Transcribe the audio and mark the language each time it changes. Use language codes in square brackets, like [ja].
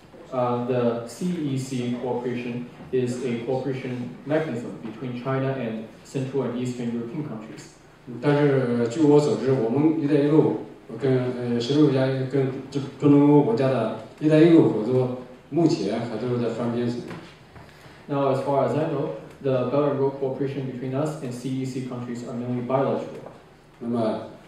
[en] The CEC cooperation is a cooperation mechanism between China and Central and Eastern European countries. [zh] 但是据我所知，我们“一带一路”跟“16+1”跟中东欧国家的“一带一路”合作，目前还都是在翻编中。 [en] Now, as far as I know, the Belt and Road cooperation between us and CEC countries are mainly bilateral.